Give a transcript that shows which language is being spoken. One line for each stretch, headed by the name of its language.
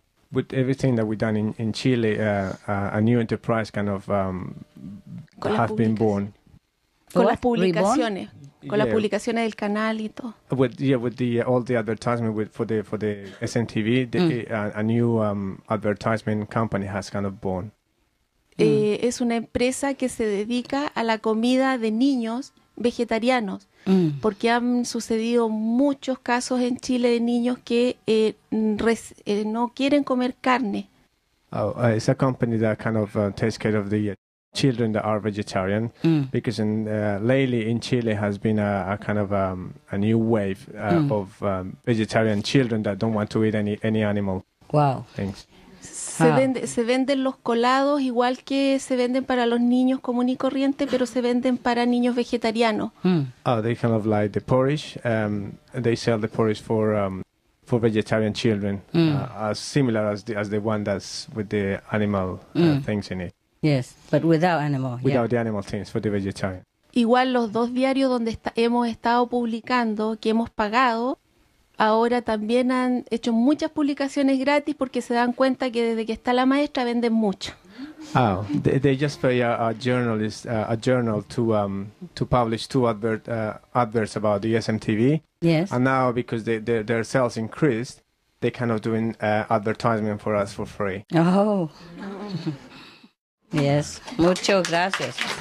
English: With everything that we've done in Chile, a new enterprise kind of have been born.
Spanish: Con las publicaciones. Con las publicaciones del canal y todo.
English: With all the advertisement for the SMTV, a new advertisement company has kind of born.
Spanish: Es una empresa que se dedica a la comida de niños vegetarianos, porque han sucedido muchos casos en Chile de niños que no quieren comer carne.
English: Oh, it's a company that kind of takes care of the children that are vegetarian, because lately in Chile has been a kind of a new wave of vegetarian children that don't want to eat any animal. Wow. Things.
Spanish: Se venden los colados igual que se venden para los niños común y corriente, pero se venden para niños vegetarianos.
English: Oh, they kind of like the porridge. They sell the porridge for vegetarian children, as similar as the one that's with the animal things in it. Yes, but without animal. Without the animal things for the vegetarian.
Spanish: Igual los dos diarios donde hemos estado publicando, que hemos pagado, ahora también han hecho muchas publicaciones gratis porque se dan cuenta que desde que está la maestra venden mucho.
English: Oh, they just pay a journal to publish two adverts about the SMTV. Yes. And now because their sales increased, they kind of doing advertisement for us for free. Oh. Yes,
Spanish: mucho gracias.